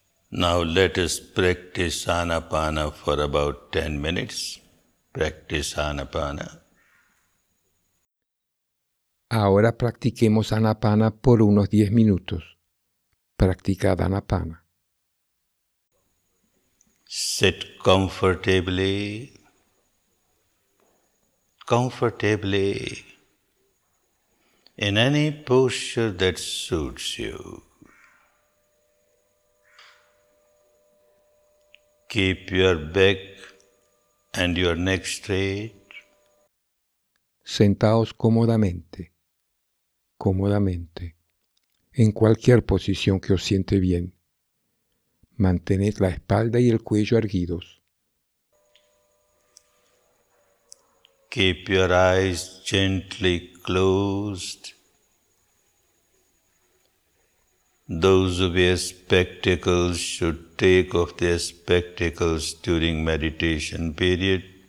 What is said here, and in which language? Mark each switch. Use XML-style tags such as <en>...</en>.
<en>Now let us practice anapana for about 10 minutes. Practice anapana.</en> <es>Ahora practiquemos anapana por unos 10 minutos. Practicad anapana.</es> <en>Sit comfortably. Comfortably. In any posture that suits you. Keep your back and your neck straight.</en> <es>Sentaos cómodamente, cómodamente, en cualquier posición que os siente bien. Mantened la espalda y el cuello erguidos.</es> <en>Keep your eyes gently closed. Those who wear spectacles should take off their spectacles during meditation period.</en>